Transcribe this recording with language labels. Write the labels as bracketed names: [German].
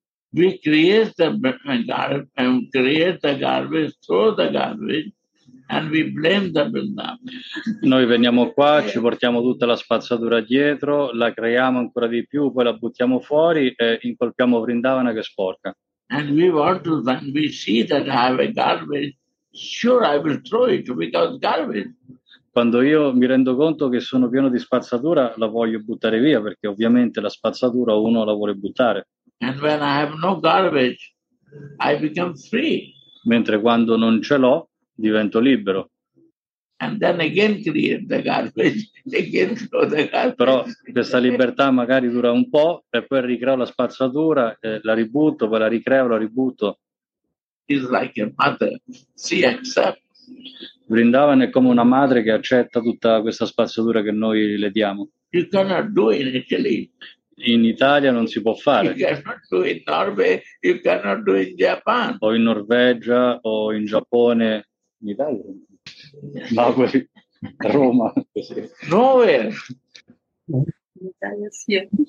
[English] We create the garbage and create the garbage, throw the garbage, and we blame the Vrindavan. [Italian] Noi veniamo qua, ci portiamo tutta la spazzatura dietro, la creiamo ancora di più, poi la buttiamo fuori e incolpiamo Vrindavana che è sporca. [English] And we want to, when we see that I have a garbage, sure I will throw it because garbage. [Italian] Quando io mi rendo conto che sono pieno di spazzatura, la voglio buttare via, perché ovviamente la spazzatura uno la vuole buttare. [English] And when I have no garbage, I become free. [Italian] Mentre quando non ce l'ho, divento libero. [English] And then again create the garbage, again throw the garbage. [Italian] Però questa libertà magari dura un po', e poi ricreo la spazzatura, la ributto, poi la ricreo, la ributto. [English] It's like a mother, she accepts. [Italian] Vrindavan è come una madre che accetta tutta questa spazzatura che noi le diamo. [English] You cannot do it in Italy. [Italian] In Italia non si può fare. [English] You cannot do it in Norway, you cannot do it in Japan. [Italian] O in Norvegia o in Giappone. In Italia? Ma qui, Roma. [English] Nowhere. [Italian] In Italia sì.